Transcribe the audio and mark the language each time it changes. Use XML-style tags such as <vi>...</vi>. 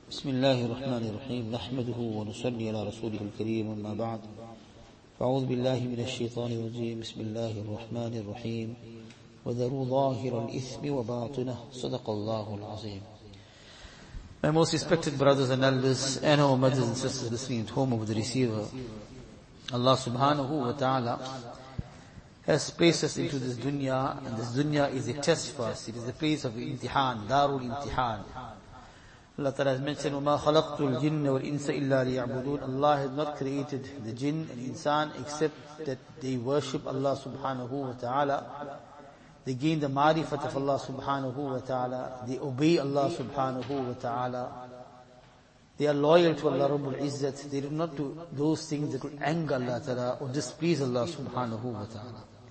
<ar>بسم الله الرحمن الرحيم نحمده ونصلي على رسوله الكريم أما بعد فأعوذ بالله من الشيطان الرجيم بسم الله الرحمن الرحيم وذروا ظاهر الإثم وباطنه صدق الله العظيم.</ar> <en>My most respected brothers and elders and our mothers and sisters listening at home of the receiver, Allah subhanahu wa ta'ala has placed us into this dunya, and this dunya is a test for us. It is the place of imtihan, darul imtihan. Allah Ta'ala has mentioned,</en> <ar>وَمَا خَلَقْتُ الْجِنَّ وَالْإِنسَ إِلَّا لِيَعْبُدُونَ.</ar> <en>Allah has not created the jinn and insan except that they worship Allah subhanahu wa ta'ala. They gain the ma'rifat of Allah subhanahu wa ta'ala. They obey Allah subhanahu wa ta'ala. They are loyal to Allah Rabbul Izzat. They do not do those things that will anger Allah Ta'ala or displease Allah subhanahu wa ta'ala.</en>